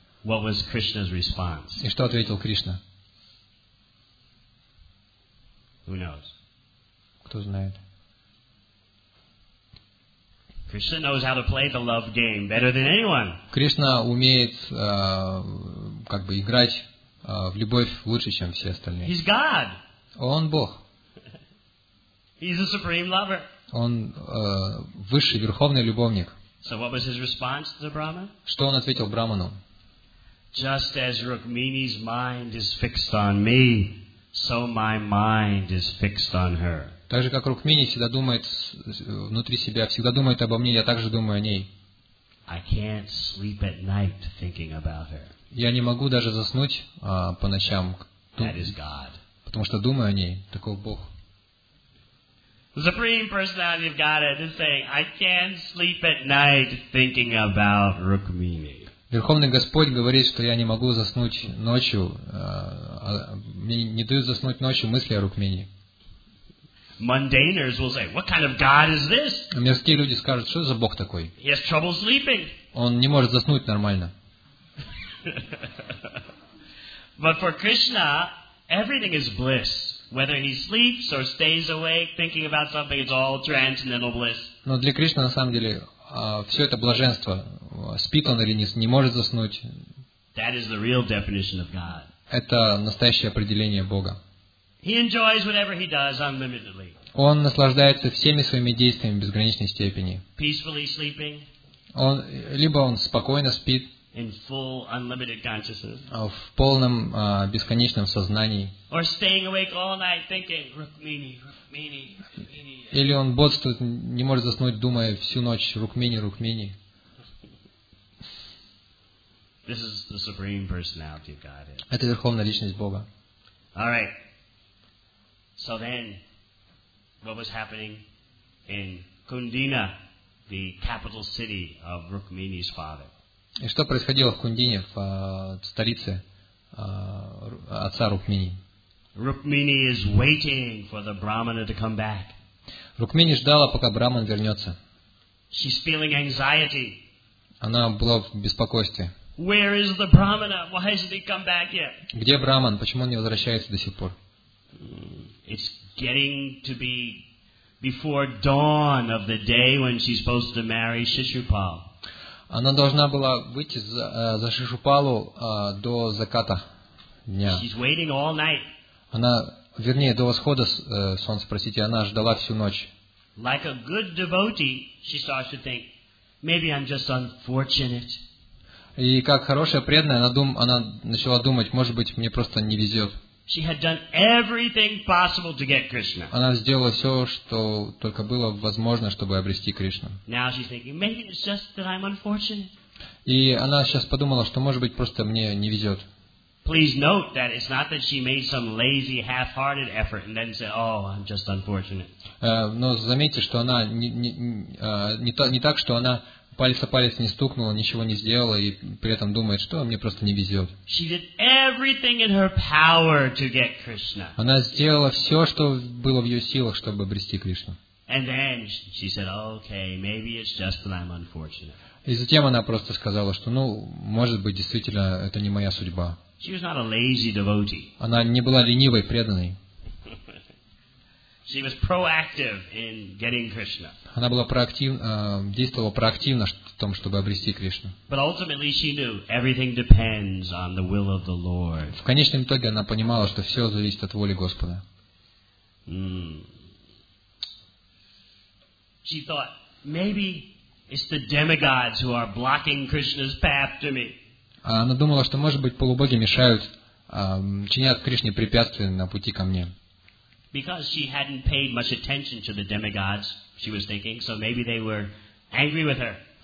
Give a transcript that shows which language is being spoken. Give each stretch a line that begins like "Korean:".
English: What was Krishna's response?
Russian: И что ответил Кришна?
English: Who knows?
Russian: Кто знает?
English: Krishna knows how to play the love game better than anyone.
Russian: Кришна умеет как бы играть в любовь лучше, чем все остальные.
English: He's God.
Russian: Он Бог.
English: He's a supreme lover.
Russian: Он высший верховный любовник.
English: So what was his response to the Brahman?
Russian: Что он ответил Брахману?
English: Just as Rukmini's mind is fixed on me, so my mind is fixed on her.
Russian: Так же, как Рукмини всегда думает внутри себя, всегда думает обо мне, я также думаю о ней.
English: I can't sleep at night thinking about her.
Russian: Я не могу даже заснуть по ночам,
English: That is God.
Russian: Потому что думаю о ней, таков Бог.
English: The Supreme Personality of Godhead is saying, I can't sleep at night thinking about Rukmini.
Russian: Верховный Господь говорит, что я не могу заснуть ночью, мне не дают заснуть ночью мысли о Рукмини.
English: Mundaners will say, "What kind of God is this?"
Russian: Мирские люди скажут, что за Бог такой?
English: He has trouble sleeping.
Russian: Он не может заснуть нормально.
English: But for Krishna, everything is bliss. Whether he sleeps or stays awake thinking about something, it's all transcendental bliss.
Russian: Но для Кришны на самом деле все это блаженство. Спит он или не может заснуть?
English: That is the real definition of God.
Russian: Это настоящее определение Бога.
English: He enjoys whatever he does unlimitedly.
Russian: Он наслаждается всеми своими действиями в безграничной степени.
English: Peacefully sleeping.
Russian: Он, либо он спокойно спит.
English: In full unlimited consciousness.
Russian: В полном бесконечном сознании.
English: Or staying awake all night thinking, Rukmini, Rukmini, Rukmini.
Russian: Или он бодрствует, не может заснуть, думая всю ночь, Рукмини, Рукмини.
English: This is the supreme personality of Godhead.
Russian: Это верховная личность Бога.
English: All right. So then, what was happening in Kundina, the capital city of Rukmini's father?
Russian: И что происходило в Кундине, в столице отца Рукмини?
English: Rukmini is waiting for the Brahmana to come back.
Russian: Рукмини ждала, пока Брахман вернется.
English: She's feeling anxiety.
Russian: Она была в беспокойстве.
English: Where is the Brahmana? Why hasn't he come back yet?
Russian: Где Брахман? Почему он не возвращается до сих пор?
English: It's getting to be before dawn of the day when she's supposed to marry Shishupal.
Russian: Она должна была выйти за Шишупалу до заката дня.
English: She's waiting all night.
Russian: Она, вернее, до восхода солнца, простите, она ждала всю ночь.
English: Like a good devotee, she starts to think, maybe I'm just unfortunate.
Russian: И как хорошая преданная, она начала думать, может быть, мне просто не везет.
English: She had done everything possible to get Krishna.
Russian: Она сделала все, что только было возможно, чтобы обрести Кришну.
English: Now she's thinking, maybe it's just that I'm unfortunate.
Russian: И она сейчас подумала, что, может быть, просто мне не везет.
English: Please note that it's not that she made some lazy, half-hearted effort and then said, "Oh, I'm just unfortunate."
Russian: Но заметьте, что она не так, что она палец о палец не стукнула, ничего не сделала и при этом думает, что мне просто не везет.
English: She did everything in her power to get Krishna.
Russian: Она сделала все, что было в ее силах, чтобы обрести Кришну.
English: And then she said, "Okay, maybe it's just that I'm unfortunate."
Russian: И затем она просто сказала, что, ну, может быть, действительно, это не моя судьба.
English: She was not a lazy devotee.
Russian: Она не была ленивой преданной.
English: She was proactive in getting Krishna.
Russian: Она была действовала проактивно в том, чтобы обрести Кришну.
English: But ultimately she knew everything depends on the will of the Lord.
Russian: В конечном итоге она понимала, что все зависит от воли Господа.
English: She thought, maybe it's the demigods who are blocking Krishna's path to me.
Russian: Она думала, что, может быть, полубоги мешают, чинят Кришне препятствия на пути ко мне.
English: Because she hadn't paid much attention to the demigods, she was thinking, so maybe they were angry with her.